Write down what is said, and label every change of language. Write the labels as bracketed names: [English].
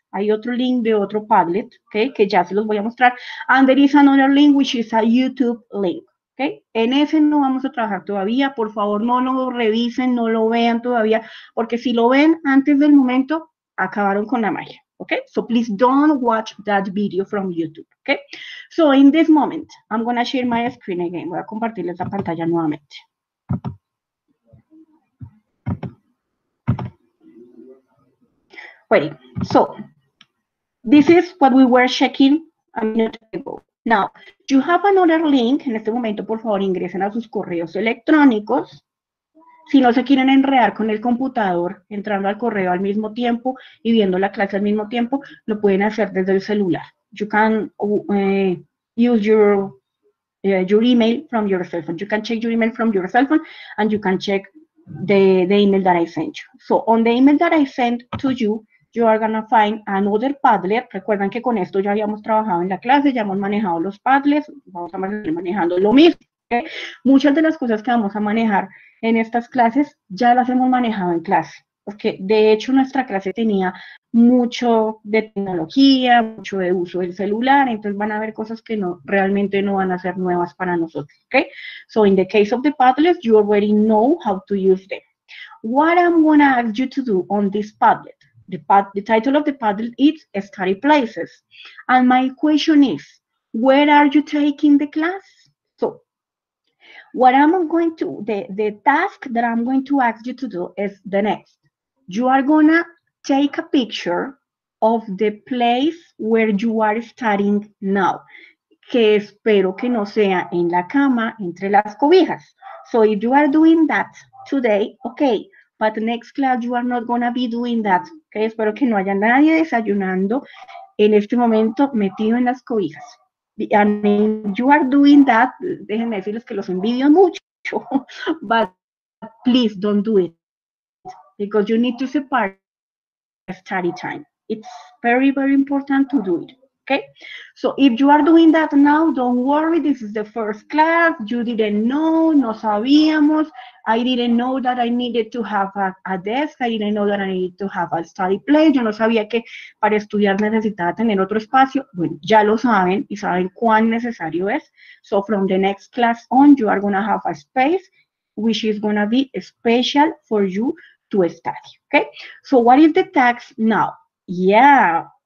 [Spanish] Hay otro link de otro Padlet, okay, que ya se los voy a mostrar. [English] And there is another link, which is a YouTube link. [Spanish] Okay. En ese no vamos a trabajar todavía. Por favor, no lo revisen, no lo vean todavía. Porque si lo ven antes del momento, acabaron con la magia. Okay. [English] So please don't watch that video from YouTube. Okay. So in this moment, I'm going to share my screen again. [Spanish] Voy a compartirles la pantalla nuevamente. [English] Wait, so this is what we were checking a minute ago. Now, you have another link. [Spanish] En este momento, por favor, ingresen a sus correos electrónicos. Si no se quieren enredar con el computador, entrando al correo al mismo tiempo y viendo la clase al mismo tiempo, lo pueden hacer desde el celular. [English] You can use your email from your cell phone. You can check your email from your cell phone and you can check the email that I sent you. So, on the email that I sent to you, you are going to find another Padlet. [Spanish] Recuerdan que con esto ya habíamos trabajado en la clase, ya hemos manejado los Padlets, vamos a ir manejando lo mismo. ¿Okay? Muchas de las cosas que vamos a manejar en estas clases, ya las hemos manejado en clase. Porque, de hecho, nuestra clase tenía mucho de tecnología, mucho de uso del celular, entonces van a haber cosas que no realmente no van a ser nuevas para nosotros. ¿Okay? [English] So, in the case of the Padlets, you already know how to use them. What I'm going to ask you to do on this Padlet, the title of the Padlet is Study Places. And my question is, where are you taking the class? So, what I'm going to, the task that I'm going to ask you to do is the next. You are gonna take a picture of the place where you are studying now, [Spanish] que espero que no sea en la cama, entre las cobijas. [English] So, if you are doing that today, okay. But next class, you are not going to be doing that. Okay? [Spanish] Espero que no haya nadie desayunando en este momento metido en las cobijas. [English] And if you are doing that, [Spanish] déjenme decirles que los envidio mucho. [English] But please don't do it. Because you need to separate study time. It's very, very important to do it. Okay? So if you are doing that now, don't worry. This is the first class. You didn't know. [Spanish] No sabíamos. [English] I didn't know that I needed to have a desk. I didn't know that I needed to have a study place. [Spanish] Yo no sabía que para estudiar necesitaba tener otro espacio. Bueno, ya lo saben y saben cuán necesario es. [English] So from the next class on, you are going to have a space, which is going to be special for you to study. Okay? So what is the task now? Yeah.